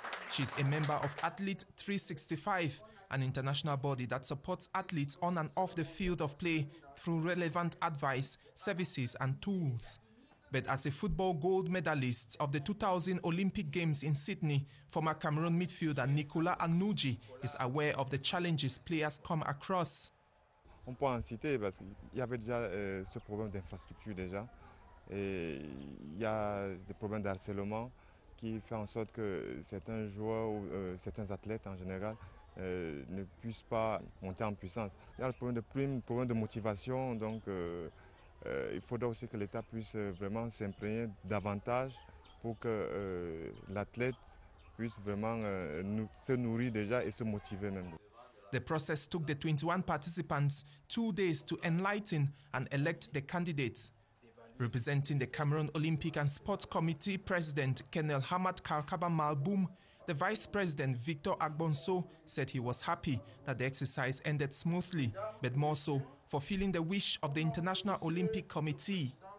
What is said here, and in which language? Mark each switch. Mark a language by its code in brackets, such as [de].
[en] She's a member of Athlete 365, an international body that supports athletes on and off the field of play through relevant advice, services and tools. But as a football gold medalist of the 2000 Olympic Games in Sydney, former Cameroon midfielder Nicolas Anouji is aware of the challenges players come across. [fr] On peut en citer parce qu'il y avait déjà ce problème d'infrastructure déjà. Et il y a des problèmes d'harcèlement qui fait en sorte que certains joueurs ou certains athlètes en général ne puissent pas monter en puissance. Il y a le problème de prime, le problème de motivation, donc il faudra aussi que l'État puisse vraiment s'imprégner davantage pour que l'athlète puisse vraiment se nourrir déjà et se motiver même. [en] The process took the 21 participants 2 days to enlighten and elect the candidates. Representing the Cameroon Olympic and Sports Committee President Kenel Hamad Karkaba Malboum, the Vice President Victor Agbonso said he was happy that the exercise ended smoothly, but more so fulfilling the wish of the International Olympic Committee.